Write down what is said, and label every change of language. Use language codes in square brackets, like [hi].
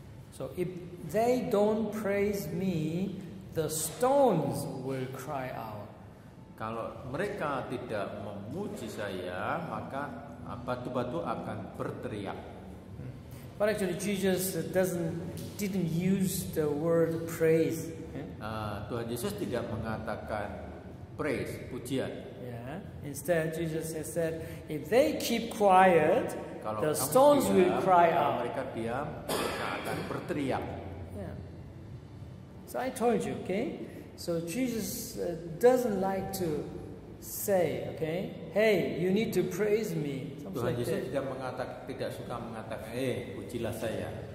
[en] So if they don't praise me, the stones will cry out. [id] Kalau mereka tidak memuji saya, maka batu-batu akan berteriak. [en] But actually Jesus didn't use the word praise. [id] Tuhan Yesus tidak mengatakan praise, pujian. Yeah. [en] Instead Jesus has said, if they keep quiet, [id] kalau [en] the stones [id] diam, [en] will cry out. [id] Mereka diam, mereka akan berteriak. [en] Yeah. So I told you, okay? So Jesus doesn't like to say, okay, hey, you need to praise me. [id] Tuhan Yesus tidak suka mengatakan, hey, pujilah saya.